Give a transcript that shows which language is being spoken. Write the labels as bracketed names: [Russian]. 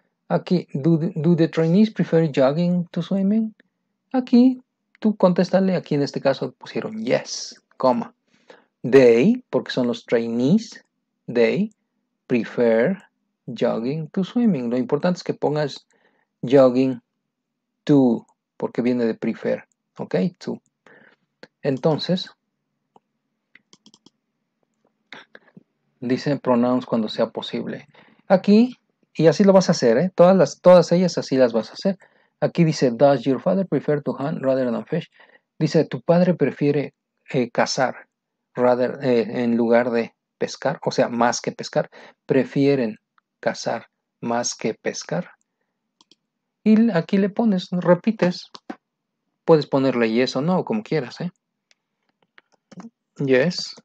[Spanish] Aquí, [English] do the trainees prefer jogging to swimming? Aquí [Spanish] tú contéstale, aquí en este caso pusieron yes, coma. [English] They, [Spanish] porque son los [English] trainees, they prefer jogging to swimming. [Spanish] Lo importante es que pongas [English] jogging to, [Spanish] porque viene de prefer, ¿ok? To. Entonces, dice pronouns cuando sea posible. Aquí, y así lo vas a hacer, ¿eh? Todas ellas así las vas a hacer. Aquí dice, [English] does your father prefer to hunt rather than fish? [Spanish] Dice, tu padre prefiere cazar [English] rather, [Spanish] en lugar de pescar, o sea, más que pescar. Prefieren cazar más que pescar. Y aquí le pones, repites. Puedes ponerle yes o no, como quieras, ¿eh? Yes.